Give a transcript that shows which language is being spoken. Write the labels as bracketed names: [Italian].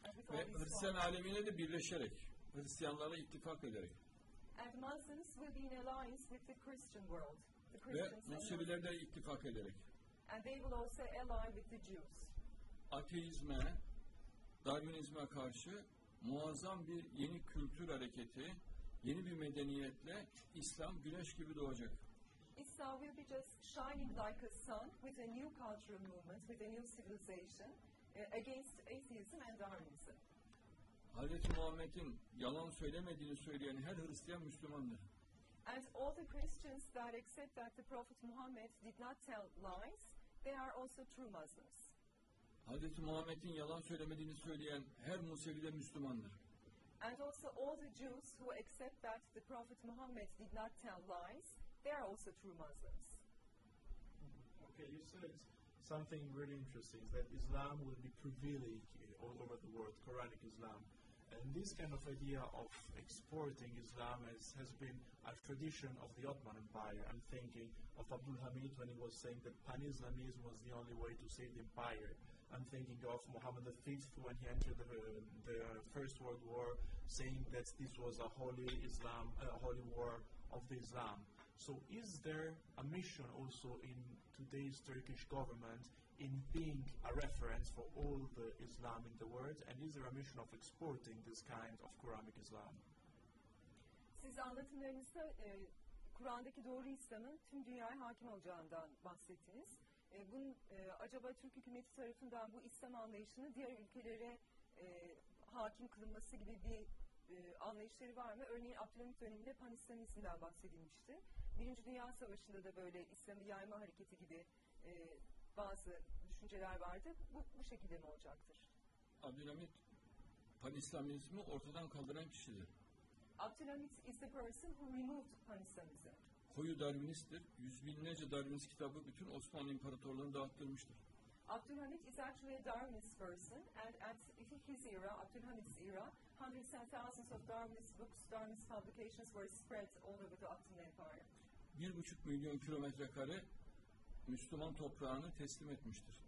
[Turkish] Ve Hristiyan alemine de birleşerek, Hristiyanlara ittifak ederek. [English] And Muslims will be in alliance with the Christian world. [Turkish] Ve Musevilere de ittifak ederek. [English] And they will also ally with the Jews. [Turkish] Ateizme, Darwinizme karşı muazzam bir yeni kültür hareketi, yeni bir medeniyetle İslam güneş gibi doğacak. [English] Islam will be just shining like a sun with a new cultural movement, with a new civilization. Against atheism and Darwinism. [Turkish] Hazreti Muhammed'in yalan söylemediğini söyleyen her Hristiyan Müslümandır. [English] And all the Christians that accept that the Prophet Muhammad did not tell lies, they are also true Muslims. [Turkish] Hazreti Muhammed'in yalan söylemediğini söyleyen her Musevi de Müslümandır. [English] And also all the Jews who accept that the Prophet Muhammad did not tell lies, they are also true Muslims. Okay, you said something really interesting, that Islam will be prevailing all over the world, Quranic Islam. And this kind of idea of exporting Islam has been a tradition of the Ottoman Empire. I'm thinking of Abdul Hamid when he was saying that pan-Islamism was the only way to save the empire. I'm thinking of Muhammad V when he entered the First World War, saying that this was a holy Islam, a holy war of the Islam. So is there a mission also in today's Turkish government in being a reference for all the Islam in the world? And is there a mission of exporting this kind of Quranic Islam? [Turkish] Siz anlatımlarınızda Kur'an'daki doğru İslam'ın tüm dünyaya hakim olacağından bahsettiniz. Bunun acaba Türk hükümeti tarafından bu İslam anlayışının diğer ülkelere hakim kılınması gibi bir anlayışları var mı? Örneğin Abdülhamit döneminde Pan-İslamizm'den bahsedilmişti. Birinci Dünya Savaşı'nda da böyle İslam'ı yayma hareketi gibi bazı düşünceler vardı. Bu şekilde mi olacaktır? Abdülhamit Pan-İslamizm'i ortadan kaldıran kişidir. [English] Abdülhamit is the person who removed Pan-İslamizm. [Turkish] Koyu Darwinist'tir. Yüz binlerce Darwinist kitabı bütün Osmanlı İmparatorluğu'nu dağıttırmıştır. [English] Abdülhamit is actually a Darwinist person and at his era, Abdülhamit's era, hundreds and thousands of Darwinist books, Darwinist publications were spread all over the Ottoman Empire. [Turkish] 1.5 milyon kilometrekare Müslüman toprağını teslim etmiştir.